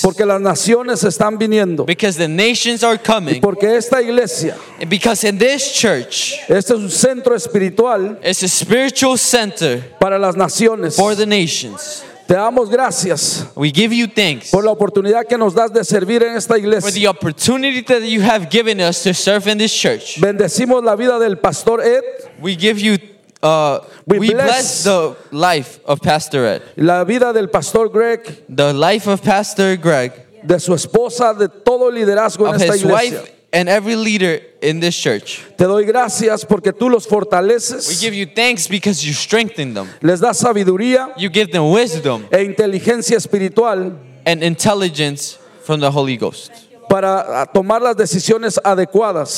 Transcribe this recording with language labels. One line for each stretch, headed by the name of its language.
Spanish: porque las naciones están viniendo,
English: because the nations are coming,
Spanish: y porque esta iglesia,
English: and because in this church,
Spanish: este es un centro espiritual,
English: it's a spiritual center,
Spanish: para las naciones,
English: for the nations.
Spanish: Te damos gracias.
English: We give you thanks.
Spanish: Por la oportunidad que nos das de servir en esta iglesia.
English: For the opportunity that you have given us to serve in this church.
Spanish: Bendecimos la vida del pastor Ed.
English: We give you we bless the life of Pastor Ed.
Spanish: La vida del pastor Greg.
English: The life of Pastor Greg.
Spanish: De su esposa, de todo liderazgo en esta iglesia.
English: Of his wife and every leader in this church.
Spanish: Te doy gracias porque tú los fortaleces.
English: We give you thanks because you strengthen them.
Spanish: Les das sabiduría.
English: You give them wisdom.
Spanish: E inteligencia espiritual.
English: And intelligence from the Holy Ghost.
Spanish: Para tomar las decisiones adecuadas.